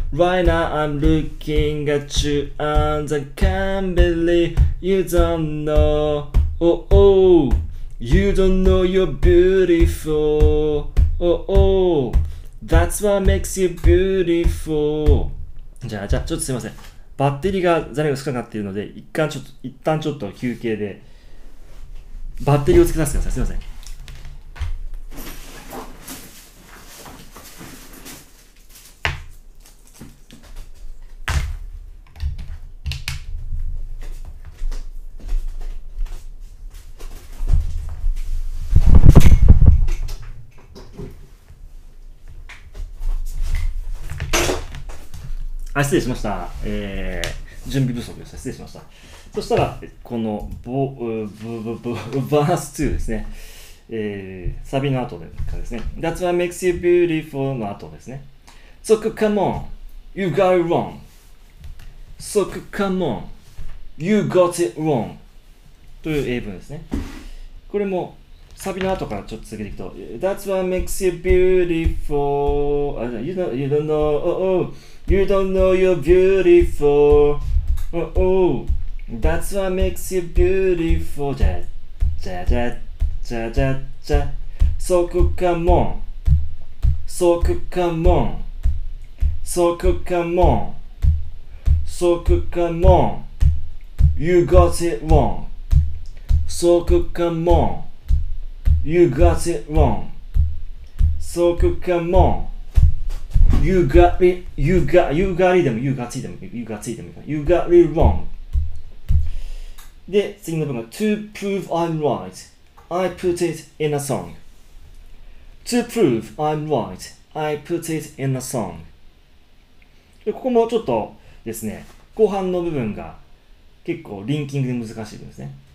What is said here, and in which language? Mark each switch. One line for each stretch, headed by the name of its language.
English: Right now I'm looking at you and I can't believe you don't know. Oh, oh, you don't know you're beautiful. Oh, oh, that's what makes you beautiful.
Japanese: じゃあ、ちょっとすいません。バッテリーが残念が少なくなっているので、一旦ちょっと休憩で、バッテリーをつけさせてください。すいません。あ、失礼しました。準備不足でした。失礼しました。そしたら、このバース2ですね。サビの後でかですね。
English: That's what makes you beautiful
Japanese: の後ですね。
English: So come on, you got it wrong. So come on, you got it wrong.
Japanese: という英文ですね。これも、サビの後からちょっと続けていくと。
English: That's what makes you beautiful. You don't know, oh, oh. You don't know you're beautiful. Oh, oh, that's what makes you beautiful. Ja, ja, ja, ja, ja, ja. So come on, so come on, so come on, so come on. You got it wrong. So come on, you got it wrong. So come on. You got it, you got, you got it, you got it, you got it, you got it wrong.
Japanese: で、次の文が、
English: To prove I'm right, I put it in a song. To prove I'm right, I put it in a song.
Japanese: で、ここもちょっとですね、後半の部分が結構リンキングで難しいですね。